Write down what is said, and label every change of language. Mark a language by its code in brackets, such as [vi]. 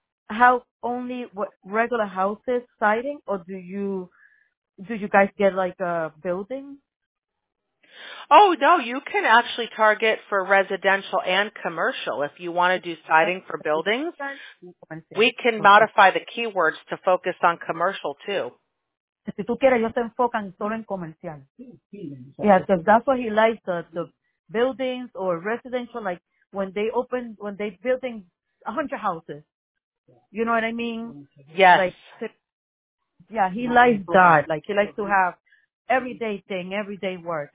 [en] have only regular houses siding, or do you guys get like a building? Oh no, you can actually target for residential and commercial if you want to do siding for buildings. We can modify the keywords to focus on commercial too. [es] Si tú quieres, yo te enfoco en solo en comercial. [en] Yeah, because that's what he likes the buildings or residential, like when they building 100 houses. You know what I mean? Yes. He likes that. Like he likes to have everyday thing, everyday work.